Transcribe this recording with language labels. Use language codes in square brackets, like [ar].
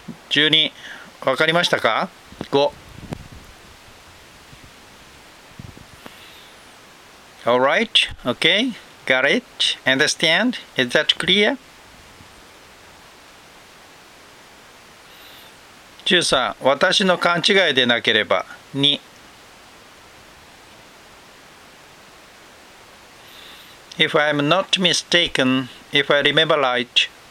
[ja] 12. わかりましたか?5. [en] All right, okay, got it, understand, is that clear? 13. [ja] 私の勘違いでなければ、2. [en] If I'm not mistaken, if I remember right.